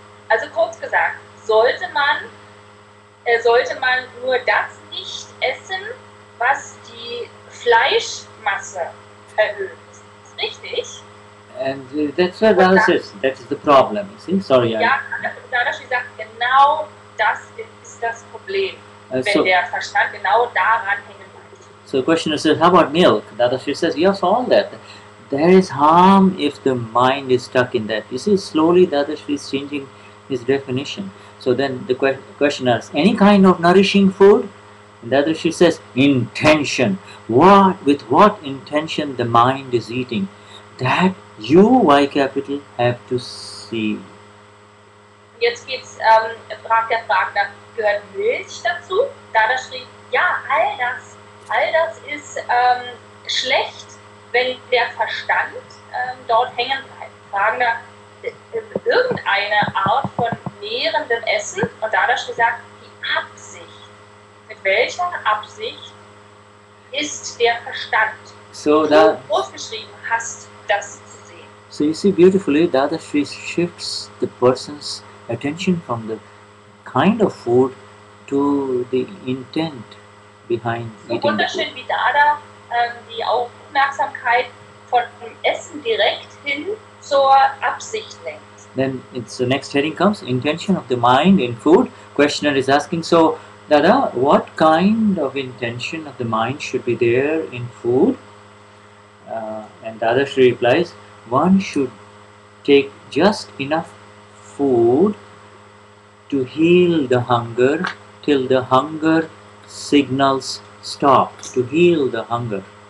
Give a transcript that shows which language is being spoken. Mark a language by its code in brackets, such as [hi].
[de] Also kurz gesagt, sollte man nur das nicht essen, was Fleischmasse erhöht. Ist das richtig? [en] And that's what Dadashri says. That is the problem. You see? Sorry. [de] Ja, Dadashri sagt, genau das ist das Problem, wenn der Verstand genau daran hängen bleibt. [en] So the questioner says, how about milk? Dadashri says, yes, all that. There is harm if the mind is stuck in that. You see, slowly Dadashri is changing his definition. So then the questioner asks, any kind of nourishing food? And Dadashri says, intention. With what intention the mind is eating? That you, Y capital, have to see. [de] Jetzt geht's, fragt der Fragner, gehört Milch dazu? Dadashri, ja, all das all das ist schlecht, wenn der Verstand dort hängen bleibt. Fragen da irgendeine Art von nährendem Essen und Dadashri sagt, die Absicht. Mit welcher Absicht ist der Verstand, so du großgeschrieben hast, das zu sehen? [en] So you see beautifully, Dadashri shifts the person's attention from the kind of food to the intent behind eating. [de] So wunderschön wie Dada die Aufmerksamkeit von dem Essen direkt hin zur Absicht lenkt. [en] Then it's the next heading comes, intention of the mind in food. Questioner is asking, so Dada, what kind of intention of the mind should be there in food? And Dadashri replies, one should take just enough food to heal the hunger till the hunger signals stop, to heal the hunger.